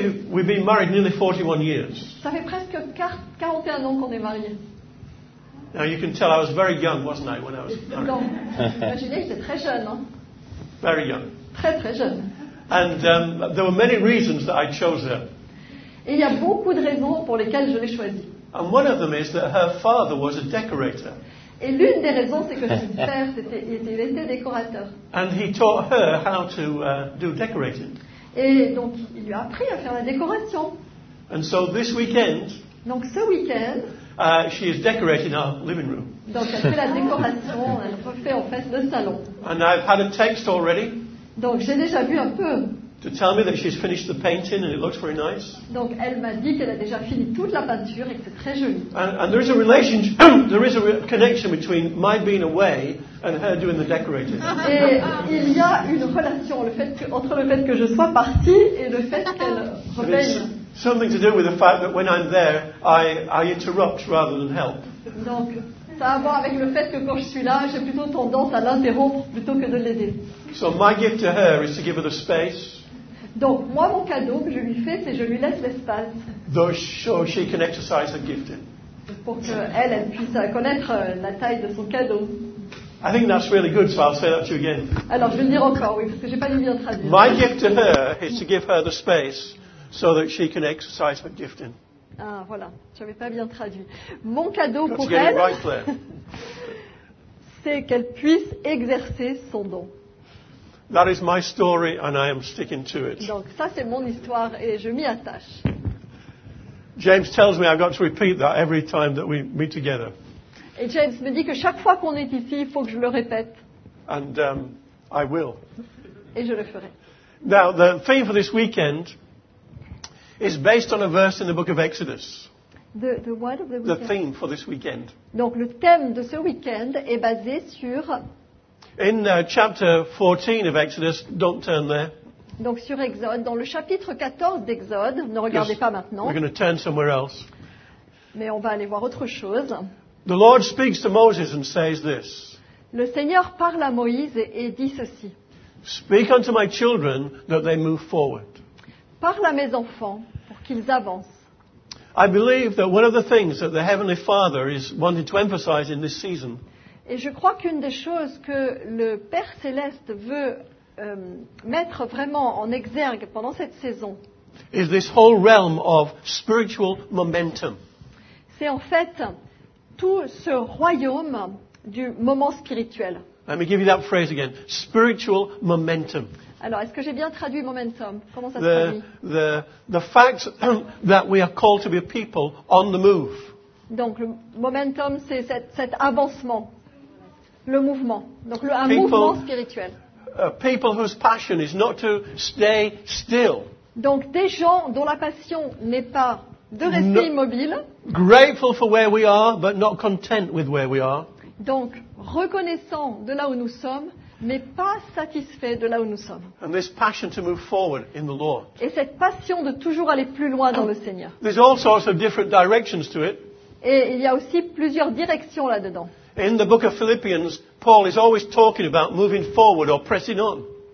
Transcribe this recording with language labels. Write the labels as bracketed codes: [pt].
[en] We've been married nearly 41 years. [fr] Ça fait presque 41 ans qu'on est mariés. [en] Now you can tell I was very young, wasn't I, when I was married? [fr] Non, imaginez, j'étais très jeune, hein? [en] Very young. [fr] Très très jeune. [en] And there were many reasons that I chose her. [fr] Et il y a beaucoup de raisons pour lesquelles je l'ai choisie. [en] And one of them is that her father was a decorator. [fr] Et l'une des raisons, c'est que son père était décorateur. [en] And he taught her how to do decorating. [fr] Et donc, il lui a appris à faire la décoration. [en] And so this weekend, [fr] donc ce week-end, [en] she is decorating our living room. [fr] Donc elle fait la décoration, elle refait en fait le salon. [en] And I've had a text already. [fr] Donc j'ai déjà vu un peu. [en] To tell me that she's finished the painting and it looks very nice. [fr] Donc elle m'a dit qu'elle a déjà fini toute la peinture et que c'est très joli. [en] And there is a relationship, there is a connection between my being away and her doing the decorating. [fr] Et il y a une relation entre le fait que je sois partie et le fait qu'elle revienne. [en] Something to do with the fact that when I'm there, I interrupt rather than help. [fr] Donc ça a à voir avec le fait que quand je suis là, j'ai plutôt tendance à l'interrompre plutôt que de l'aider. [en] So my gift to her is to give her the space. [fr] Donc moi mon cadeau que je lui fais, c'est je lui laisse l'espace. [en] So she can exercise her gifting. [fr] Pour qu'elle puisse connaître la taille de son cadeau. [en] I think that's really good, so I'll say that to you again. [fr] Alors je vais le dire encore, oui, parce que j'ai pas dit bien traduit. [en] My gift to her is to give her the space so that she can exercise her gifting. [fr] Ah voilà, j'avais pas bien traduit. Mon cadeau [en] got [fr] pour [en] to get [fr] elle, [en] it right, Claire. [fr] C'est qu'elle puisse exercer son don. [en] That is my story and I am sticking to it. [fr] Donc ça c'est mon histoire et je m'y attache. [en] James tells me I've got to repeat that every time that we meet together. [fr] Et James me dit que chaque fois qu'on est ici, il faut que je le répète. [en] And I will. [fr] Et je le ferai. [en] Now the theme for this weekend is based on a verse in the book of Exodus. The what of the weekend? The theme for this weekend. [fr] Donc le thème de ce weekend est basé sur [en] in chapter 14 of Exodus, don't turn there. [fr] Donc sur Exode, dans le chapitre 14 d'Exode, ne regardez pas maintenant. [en] We're going to turn somewhere else. [fr] Mais on va aller voir autre chose. [en] The Lord speaks to Moses and says this. [fr] Le Seigneur parle à Moïse et dit ceci. [en] Speak unto my children that they move forward. [fr] Parle à mes enfants pour qu'ils avancent. [en] I believe that one of the things that the Heavenly Father is wanting to emphasize in this season. [fr] Et je crois qu'une des choses que le Père Céleste veut mettre vraiment en exergue pendant cette saison, [en] is this whole realm of spiritual momentum. [fr] C'est en fait tout ce royaume du moment spirituel. [en] Let me give you that phrase again. Spiritual momentum. [fr] Alors, est-ce que j'ai bien traduit momentum? Comment ça se traduit? [en] The fact that we are called to be a people on the move. [fr] Donc, le momentum, c'est cet avancement. Le mouvement, donc un [en] people, [fr] mouvement spirituel. [en] People whose passion is not to stay still. [fr] Donc des gens dont la passion n'est pas de rester immobile. [en] Grateful for where we are, but not content with where we are. [fr] Donc reconnaissant de là où nous sommes, mais pas satisfait de là où nous sommes. [en] And this passion to move forward in the Lord. [fr] Et cette passion de toujours aller plus loin dans le Seigneur. [en] There's all sorts of different directions to it. [fr] Et il y a aussi plusieurs directions là-dedans. [en] In the book of Philippians, Paul is always talking about moving forward or pressing on.